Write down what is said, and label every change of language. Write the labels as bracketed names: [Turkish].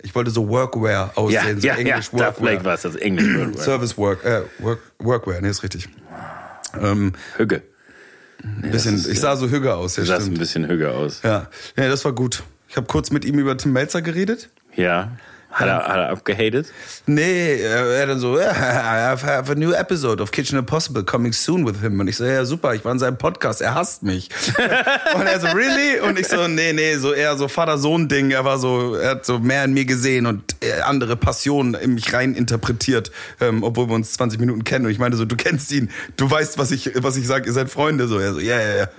[German] Ich wollte so Workwear aussehen, Englisch Workwear. Ja, Duffleg war es, das Englisch Workwear. Service Work, Workwear, nee, ist richtig. Hügge. Ich sah so Hügge aus. Du sahst ein bisschen Hügge aus. Ja, nee, das war gut. Ich habe kurz mit ihm über Tim Meltzer geredet. Ja, hat er abgehatet? Nee, er hat dann so, [English] I have a new episode of Kitchen Impossible coming soon with him. [German] Und ich so, ja super, ich war in seinem Podcast, er hasst mich. Und er so, really? Und ich so, nee, so eher so Vater-Sohn-Ding. Er hat so mehr in mir gesehen und andere Passionen in mich rein interpretiert, obwohl wir uns 20 Minuten kennen. Und ich meine so, du kennst ihn, du weißt, was ich sage, ihr seid Freunde. So, er so, ja.